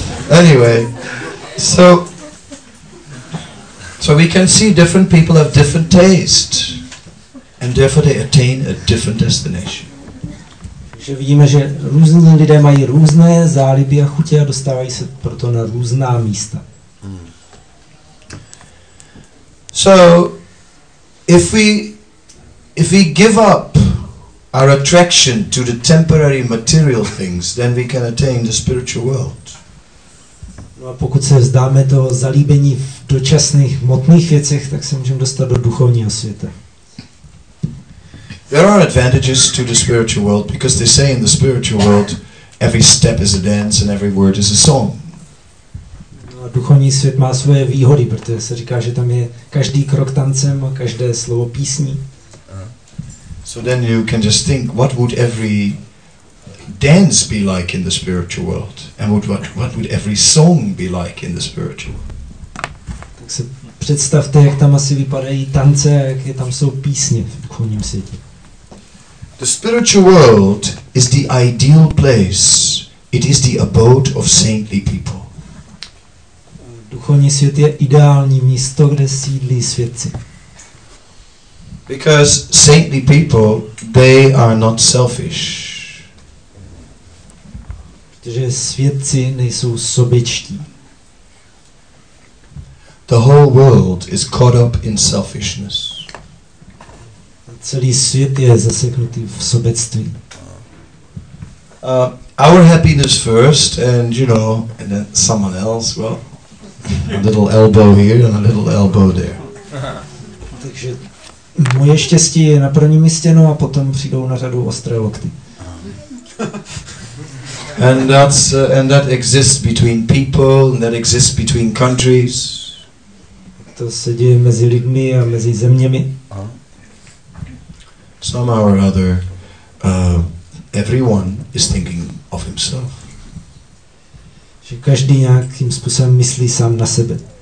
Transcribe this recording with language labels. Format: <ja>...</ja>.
<en>Anyway, so we can see different people have different taste and therefore they attain a different destination.</en> <cs>Že vidíme, že různí lidé mají různé záliby a chutě a dostávají se proto na různá místa.</cs> <en>So if we give up our attraction to the temporary material things, then we can attain the spiritual world.</en> <cs>No a pokud se vzdáme toho zalíbení v dočasných hmotných věcech, tak se můžeme dostat do duchovního světa.</cs> <en>There are advantages to the spiritual world because they say in the spiritual world every step is a dance and every word is a song.</en> <cs>No, duchovní svět má svoje výhody, protože se říká, že tam je každý krok tancem a každé slovo písní.</cs> <en>So then you can just think what would every dance be like in the spiritual world and what would every song be like in the spiritual world.</en> <cs>Tak se představte, jak tam asi vypadají tance a jak je tam jsou písně v duchovním světě.</cs> <en>The spiritual world is the ideal place. It is the abode of saintly people.</en> <cs>Duchovní svět je ideální místo, kde sídlí světci.</cs> <en>Because saintly people, they are not selfish.</en> <cs>Protože světci nejsou sobečtí.</cs> <en>The whole world is caught up in selfishness.</en> <cs>Celý svět je zaseknutý v sobectví.</cs> <en>Our happiness first, and you know, and then someone else, well, a little elbow here and a little elbow there.</en> <cs>Takže moje štěstí je na prvním místě, no a potom přijdou na řadu ostré lokty.</cs> <en>And that exists between people, and that exists between countries.</en> <cs>To se děje mezi lidmi a mezi zeměmi.</cs> <en>Somehow or other, everyone is thinking of himself.</en> <cs>Že každý nějakým způsobem myslí sám na sebe.</cs>